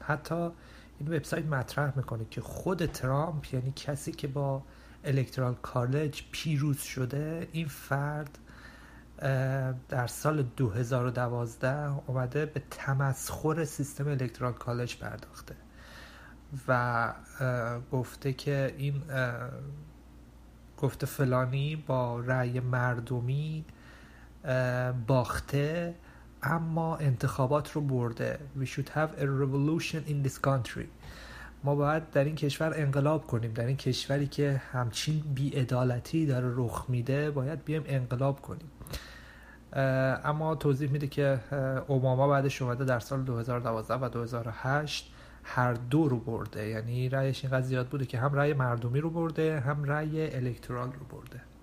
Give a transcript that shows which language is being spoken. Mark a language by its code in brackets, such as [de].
[fa] حتی این وبسایت مطرح میکنه که خود ترامپ، یعنی کسی که با الکترال کالج پیروز شده، این فرد در سال 2012 اومده به تمسخر سیستم الکترال کالج پرداخته و گفته که این گفته فلانی با رأی مردمی باخته اما انتخابات رو برده. [en] We should have a revolution in this country. [fa] ما باید در این کشور انقلاب کنیم، در این کشوری که همچین بی‌عدالتی داره رخ میده باید بیایم انقلاب کنیم. اما توضیح میده که اوباما بعدش اومده در سال 2012 و 2008 هر دو رو برده، یعنی رأیش اینقدر زیاد بوده که هم رأی مردمی رو برده هم رأی الکترال رو برده.